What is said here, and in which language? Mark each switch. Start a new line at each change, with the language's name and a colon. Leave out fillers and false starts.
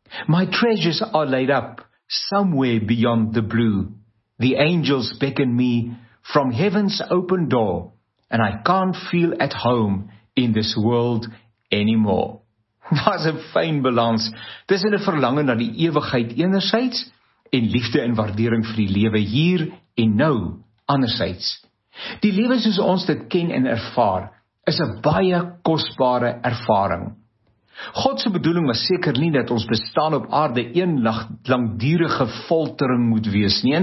English: My treasures are laid up somewhere beyond the blue. The angels beckon me from heaven's open door, and I can't feel at home in this world anymore."
Afrikaans: Wat 'n fyn balans tussen 'n verlange na die ewigheid enerzijds en liefde en waardering vir die lewe hier en nou anderzijds. Die lewe soos ons dit ken en ervaar, is 'n baie kosbare ervaring. God se bedoeling was seker nie dat ons bestaan op aarde een langdurige foltering moet wees nie.